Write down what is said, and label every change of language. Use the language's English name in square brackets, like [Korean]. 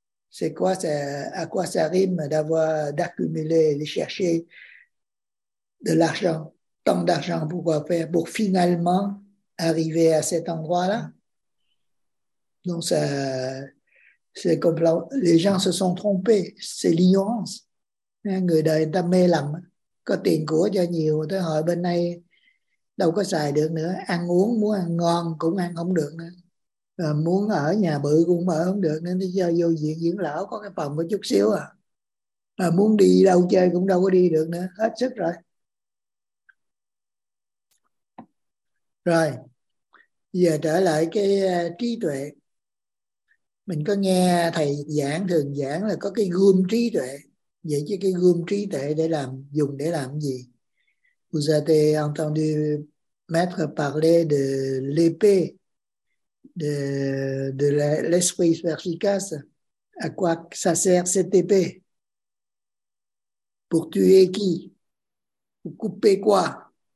[French] C'est quoi, à quoi ça rime d'accumuler, de chercher de l'argent, tant d'argent pour quoi faire, pour finalement arriver à cet endroit-là? Donc, ça, c'est comme les gens se sont trompés, c'est l'ignorance. [Vietnamese] Người đời ta mê lầm, có tiền của cho nhiều, tới hồi bên này đâu có xài được nữa, ăn uống, muốn ăn ngon cũng ăn không được nữa. Muốn ở nhà bự cũng mở không được, nên đi chơi vô viện dưỡng lão có cái phòng có chút xíu à. Mà muốn đi đâu chơi cũng đâu có đi được nữa, hết sức rồi. Rồi, giờ trở lại cái trí tuệ. Mình có nghe thầy giảng, thường giảng là có cái gươm trí tuệ. Vậy chứ cái gươm trí tuệ để làm, dùng để làm gì? [French] Vous avez entendu maître parler de l'épée. De l'esprit perspicace, à quoi ça sert cette épée? Pour tuer qui? Pour couper quoi?